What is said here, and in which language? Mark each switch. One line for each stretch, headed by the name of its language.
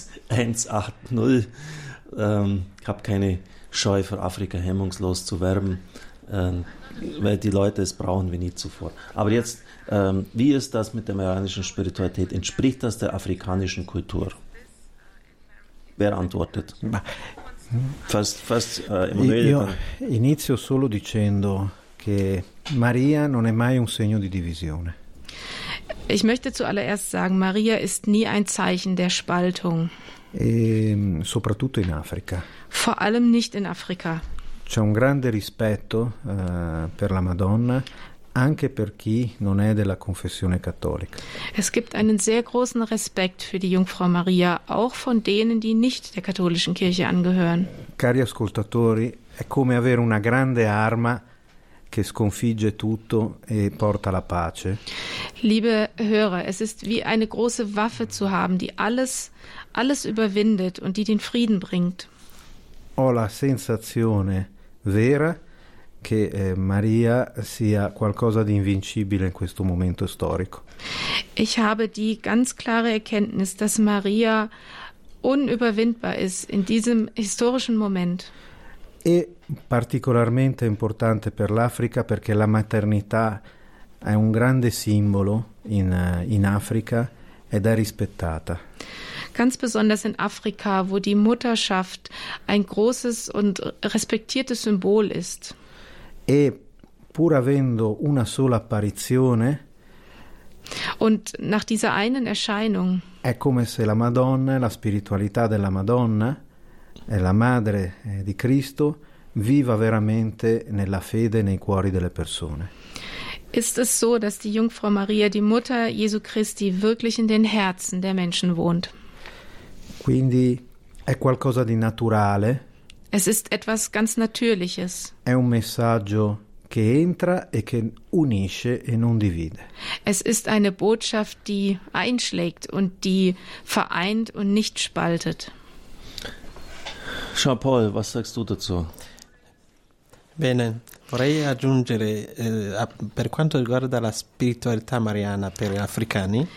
German: 08328921180. Ich habe keine Scheu für Afrika, hemmungslos zu werben, weil die Leute es brauchen wie nie zuvor. Aber jetzt, wie ist das mit der marianischen Spiritualität? Entspricht das der afrikanischen Kultur? Wer antwortet? Emanuele.
Italian: Io inizio solo dicendo che Maria non è mai un segno di divisione.
German: Ich möchte zuallererst sagen, Maria ist nie ein Zeichen der Spaltung.
Italian: E soprattutto in Africa.
German: Vor allem nicht in Afrika.
Italian: C'è un grande rispetto per la Madonna anche per chi non è della confessione cattolica.
German: Es gibt einen sehr großen Respekt für die Jungfrau Maria auch von denen, die nicht der katholischen Kirche angehören.
Italian: Cari ascoltatori, è come avere una grande arma che sconfigge tutto e porta la pace.
German: Liebe Hörer, es ist wie eine große Waffe zu haben, die alles überwindet und die den Frieden bringt.
Italian: Ho la sensazione vera che Maria sia qualcosa di invincibile in questo momento storico.
German: Ich habe die ganz klare Erkenntnis, dass Maria unüberwindbar ist in diesem historischen Moment.
Italian: È particolarmente importante per l'Africa perché la maternità è un grande simbolo in Africa ed è rispettata.
German: Ganz besonders in Afrika, wo die Mutterschaft ein großes und respektiertes Symbol ist.
Italian: E pur avendo una sola apparizione,
German: und nach dieser einen Erscheinung,
Italian: è come se la Madonna, la spiritualità della Madonna, è la madre di Cristo, viva veramente nella fede nei cuori delle persone.
German: Ist es so, dass die Jungfrau Maria, die Mutter Jesu Christi, wirklich in den Herzen der Menschen wohnt?
Italian: Quindi è qualcosa di naturale.
German: Es ist etwas ganz Natürliches.
Italian: È un messaggio che entra e che unisce e non divide.
German: Es ist eine Botschaft, die einschlägt und die vereint und nicht spaltet. Jean-Paul, was sagst du dazu?
Italian: Bene, vorrei aggiungere per quanto riguarda la spiritualità mariana per gli africani.